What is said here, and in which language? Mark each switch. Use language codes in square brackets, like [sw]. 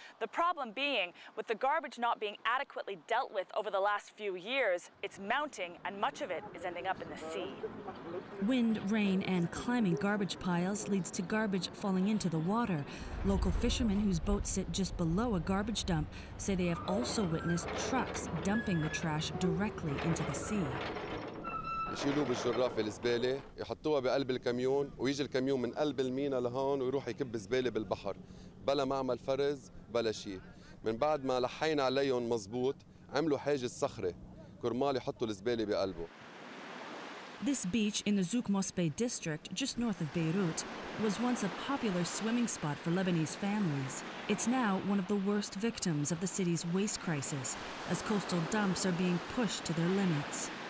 [en] The problem being, with the garbage not being adequately dealt with over the last few years, it's mounting and much of it is ending up in the sea. Wind, rain, and climbing garbage piles leads to garbage falling into the water. Local fishermen whose boats sit just below a garbage dump say they have also witnessed trucks dumping the trash directly into the sea. [ar] يشيلوه بالجرافه الزباله يحطوها بقلب الكميون ويجي الكميون من قلب المينا لهون ويروح يكب زباله بالبحر بلا ما عمل فرز بلا شيء من بعد ما لحينا عليهم مزبوط عملوا حاجز صخره كرمال يحطوا الزباله بقلبه. [en] This beach in the Zoukmous Bay district just north of Beirut was once a popular swimming spot for Lebanese families. It's now one of the worst victims of the city's waste crisis as coastal dumps are being pushed to their limits.